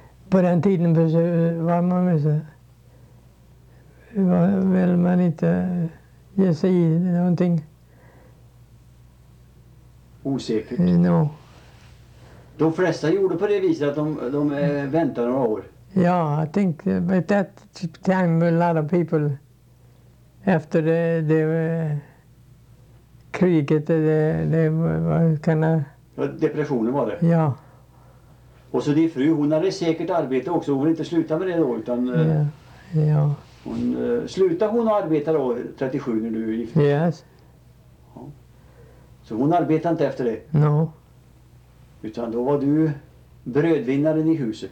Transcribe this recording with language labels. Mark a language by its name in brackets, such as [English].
[Swedish] På den tiden var man väl så... Vill man inte ge sig i någonting? Osäkert? Ja. [English] No. [Swedish] De flesta gjorde på det viset att de väntade några år. Ja, [English] yeah, I think at that time a lot of people after the [Swedish] kriget, [English] they were kind of... [Swedish] Depressionen var det? Ja. [English] Yeah. [Swedish] Och så din fru, hon hade säkert arbete också, hon ville inte sluta med det då, utan... Ja. [English] Yeah. [Swedish] Hon slutade hon arbeta då, 37 när du gifte dig? [English] Yes. [Swedish] Ja. Så hon arbetade inte efter det? [English] No. [Swedish] Utan då var du brödvinnaren i huset?